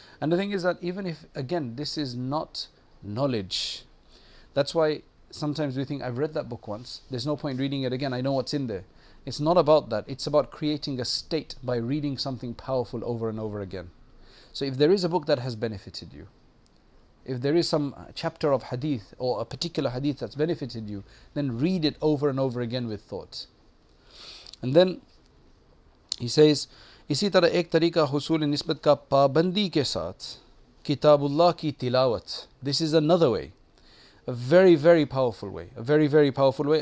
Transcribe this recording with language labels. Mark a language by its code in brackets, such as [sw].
[en] And the thing is that even if, again, this is not knowledge, that's why sometimes we think, I've read that book once, there's no point reading it again, I know what's in there. It's not about that. It's about creating a state by reading something powerful over and over again. So if there is a book that has benefited you, if there is some chapter of hadith or a particular hadith that's benefited you, then read it over and over again with thought. And then he says, [ur] اسی طرح ایک طریقہ حصول نسبت کا پابندی کے ساتھ کتاب اللہ کی تلاوت. [en] This is another way, a very, very powerful way, a very, very powerful way.